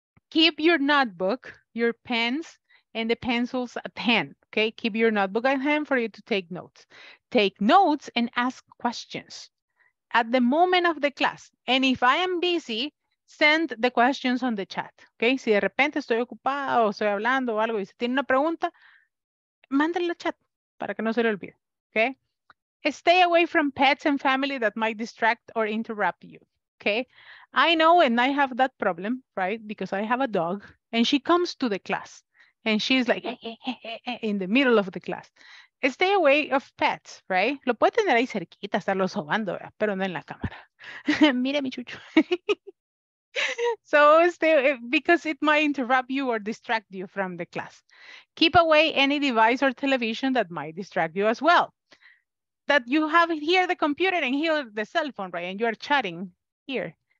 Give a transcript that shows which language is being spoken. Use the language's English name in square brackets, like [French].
[English] Keep your notebook, your pens, and the pencils at hand. Okay, keep your notebook at hand for you to take notes. Take notes and ask questions at the moment of the class. And if I am busy, send the questions on the chat, okay? [Spanish] Si de repente estoy ocupada o estoy hablando o algo y si tiene una pregunta, mándenle al chat para que no se le olvide, okay? [English] Stay away from pets and family that might distract or interrupt you, okay? I know, and I have that problem, right? Because I have a dog and she comes to the class and she's like in the middle of the class. Stay away of pets, right? [Spanish] Lo puede tener ahí cerquita, estarlo sobando, ¿verdad? Pero no en la cámara. Mira mi chucho. [English] So stay, because it might interrupt you or distract you from the class. Keep away any device or television that might distract you as well. That you have here the computer and here the cell phone, right? And you are chatting here.